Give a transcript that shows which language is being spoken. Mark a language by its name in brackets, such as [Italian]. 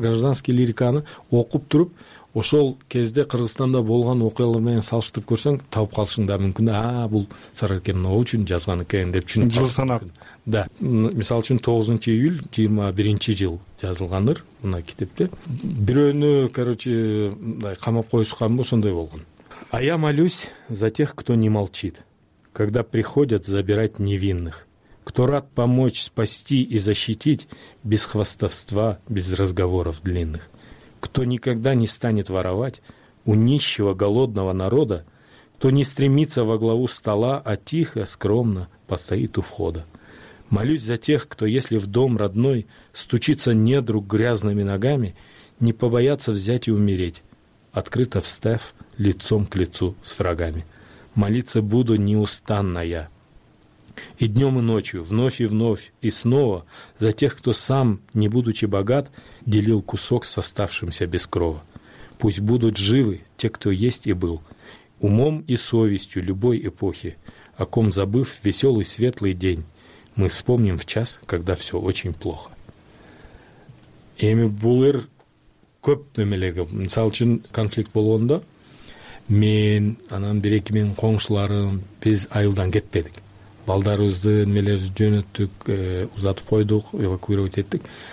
[Kyrgyz] Гражданский лириканы окуп туруп ошол кезде Кыргызстанда болгон окуялар менен салыштырып көрсөң таап калышың да мүмкүн. Бул Сарыкен мына үчүн жазган экен деп түшүнүп жыл санап. Да. Мисалы үчүн 9 июль 2021 жазылган ыр мына китепте. Бирөөнү мындай камап коюшканбы, ошондой болгон. [Russian] А я молюсь за тех, кто не молчит, когда приходят забирать невинных, кто рад помочь, спасти и защитить без хвастовства, без разговоров длинных, кто никогда не станет воровать у нищего голодного народа, кто не стремится во главу стола, а тихо, скромно постоит у входа. Молюсь за тех, кто, если в дом родной стучится недруг грязными ногами, не побоятся взять и умереть, открыто встав лицом к лицу с врагами. Молиться буду неустанно я. И днем, и ночью, вновь и вновь, и снова за тех, кто сам, не будучи богат, делил кусок с оставшимся без крова. Пусть будут живы те, кто есть и был, умом и совестью любой эпохи, о ком забыв веселый светлый день, мы вспомним в час, когда все очень плохо. [Kyrgyz] Эми булыр көп нөмелерге, мисалы үчүн конфликт болгондо мен анан 1-2 менин коңшуларым биз айылдан кетпедик. Балдарыбызды эмелерди жөнөттүк, узатып койдук, эвакуировать эттик.